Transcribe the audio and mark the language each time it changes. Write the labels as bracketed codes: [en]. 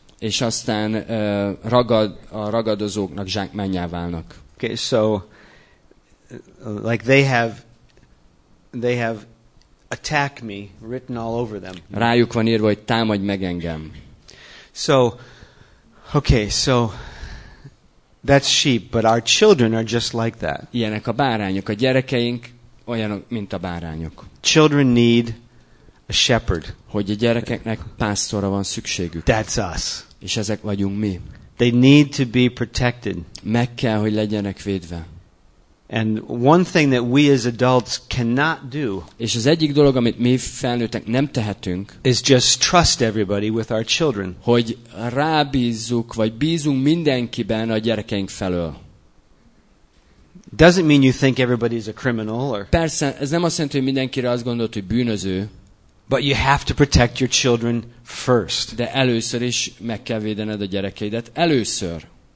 [hu] És aztán a ragadozóknak zsákmánnyá válnak. [en] Okay, so like they have attack me written all over them. [hu] Rájuk van írva, hogy támadj meg engem. [en] So that's sheep, but our children are just like that. [hu] Ilyenek a bárányok, a gyerekeink olyanok, mint a bárányok. [en] Children need a shepherd. [hu] Hogy a gyerekeknek pásztorra van szükségük. [en] That's us. [hu] És ezek vagyunk mi. [en] They need to be protected. [hu] Meg kell, hogy legyenek védve. [en] And one thing that we as adults cannot do. [hu] És az egyik dolog, amit mi felnőttek nem tehetünk, [en] is just trust everybody with our children. [hu] Hogy rábízzuk vagy bízunk mindenkiben a gyerekeink felől. [en] Doesn't mean you think everybody is a criminal or. [hu] Persze, ez nem azt jelenti, hogy mindenkire azt gondolt, hogy bűnöző. [en] But you have to protect your children first. [hu] De először is meg kell védened a gyerekeidet először.